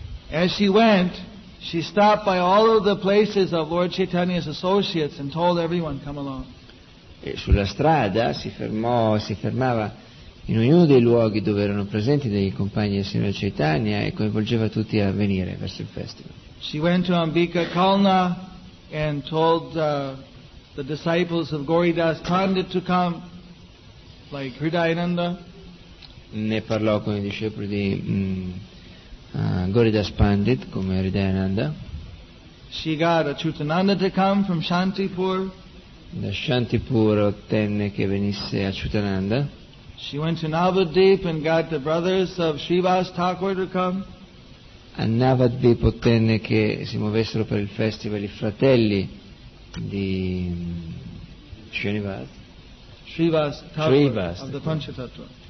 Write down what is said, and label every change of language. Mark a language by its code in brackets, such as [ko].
[en] As she went, she stopped by all of the places of Lord Chaitanya's associates and told everyone, come along. [it] E sulla strada si fermava in ognuno dei luoghi dove erano presenti dei compagni del signor Chaitanya e coinvolgeva tutti a venire verso il festival. [en] She went to Ambika Kalna and told the disciples of Gauridas Pandit to come, like Hridayananda. [it] Ne parlò con i discepoli di Gauridas Pandit, come Hridayananda. [en] She got Achyutananda to come from Shantipur. [it] Da Shantipur ottenne che venisse Achyutananda. [en] She went to Navadvip and got the brothers of Srivas Thakur to come. [it] A Navadvip ottenne che si muovessero per il festival i fratelli di Srivas Thakur.